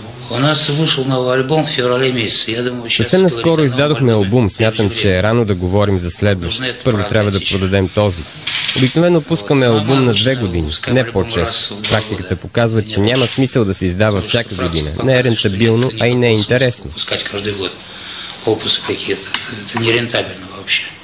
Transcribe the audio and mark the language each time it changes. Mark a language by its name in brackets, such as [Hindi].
[Russian] У нас вышел новый альбом в феврале месяц. Я думаю, сейчас... [Bulgarian] Съвсем наскоро издадохме албум. Смятам, че е рано да говорим за следващ. Първо трябва да продадем този. Обикновено пускаме албум на 2 години, не по-често. Практиката показва, че няма смисъл да се издава всяка година. Не е рентабилно, а и не е интересно. [Russian] Пускать каждый год опусы какие-то. Это не рентабельно вообще.